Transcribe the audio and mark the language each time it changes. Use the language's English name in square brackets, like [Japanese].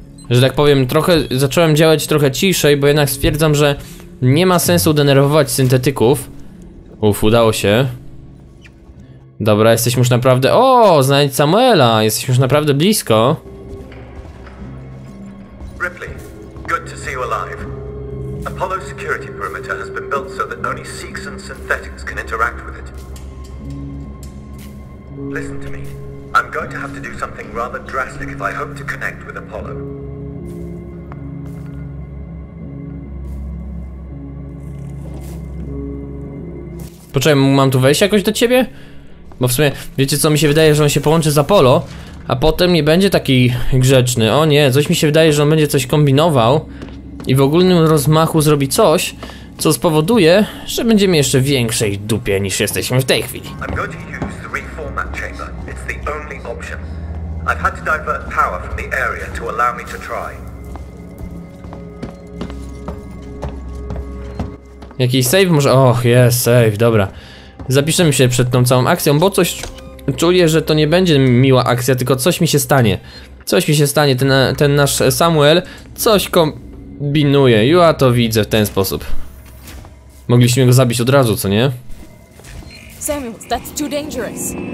[Polish] Że tak powiem, trochę zacząłem działać trochę ciszej, bo jednak stwierdzam, że nie ma sensu denerwować syntetyków. Uf, udało się. Dobra, jesteśmy już naprawdę... O, znajdź Samuela, jesteśmy już naprawdę blisko. [English] Ripley, good to see you alive. Apollo security perimeter has been built so that only Seeks and synthetics can interact with it. Listen to me. I'm going to have to do something rather drastic if I hope to connect with Apollo. [Polish] Poczekaj, mam tu wejść jakoś do ciebie? Bo w sumie, wiecie co, mi się wydaje, że on się połączy z Apollo, a potem nie będzie taki grzeczny. O nie, coś mi się wydaje, że on będzie coś kombinował. I w ogólnym rozmachu zrobi coś, co spowoduje, że będziemy jeszcze w większej dupie niż jesteśmy w tej chwili. [English] I'm going to use the reformat chamber. It's the only option. I've had to divert power from the area to allow me to try. [Polish] Jakiś save może. Och, jest save, dobra. Zapiszemy się przed tą całą akcją, bo coś czuję, że to nie będzie miła akcja, tylko coś mi się stanie. Coś mi się stanie, ten nasz Samuel, coś binuje, ja to widzę w ten sposób. Mogliśmy go zabić od razu, co nie? [English] Samuel, that's too dangerous.